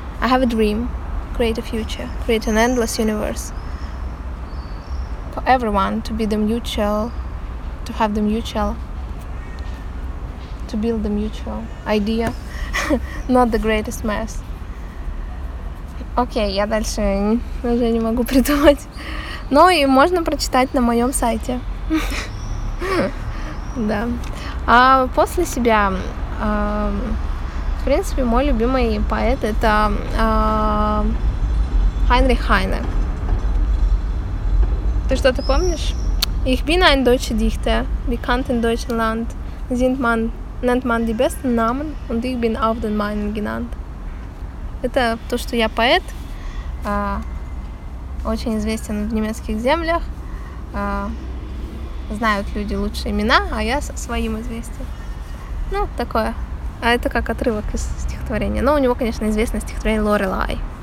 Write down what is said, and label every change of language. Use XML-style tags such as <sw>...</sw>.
<en>I have a dream, create a future, create an endless universe. For everyone to be the mutual, to have the mutual, to build the mutual idea, not the greatest mess.</en> <ru>Окей, я дальше уже не могу придумать. Ну и можно прочитать на моем сайте. Да. А после себя, в принципе, мой любимый поэт — это Хайнрих Хайне. Ты что-то помнишь?</ru> <de>Ich bin ein deutscher Dichter, bekannt in Deutschland, sind man... Nennt man die besten Namen und ich bin auf den meinen genannt.</de> <ru>Это то, что я поэт, очень известен в немецких землях. Знают люди лучшие имена, а я своим известен. Ну, такое. А это как отрывок из стихотворения. Но у него, конечно, известное стихотворение Лорелай.</ru>